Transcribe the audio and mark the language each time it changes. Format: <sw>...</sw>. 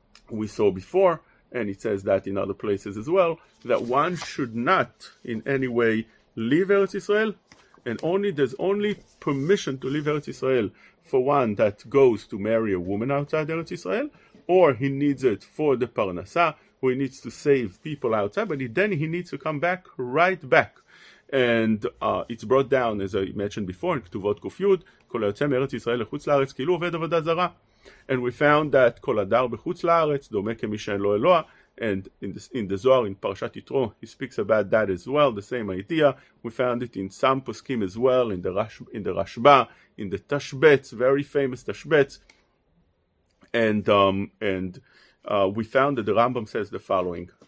<en>we saw before, and it says that in other places as well, that one should not in any way leave Eretz Yisrael, and only there's only permission to leave Eretz Yisrael for one that goes to marry a woman outside Eretz Yisrael, or he needs it for the Parnassah, who he needs to save people outside, but then he needs to come back right back. And it's brought down, as I mentioned before, in Ketuvot Kufyud,</en> <he>כל היוצא מארץ ישראל לחוץ לארץ, כאילו עובד עבודה זרה.</he> <en>And we found that</en> <he>kol adar b'chutz la'aretz dome kemi she'en lo eloah.</he> <en>And in the Zohar, in Parashat Yitro, he speaks about that as well, the same idea. We found it in some poskim as well, in the Rashba, in the Tashbetz, very famous Tashbetz. And we found that the Rambam says the following.</en>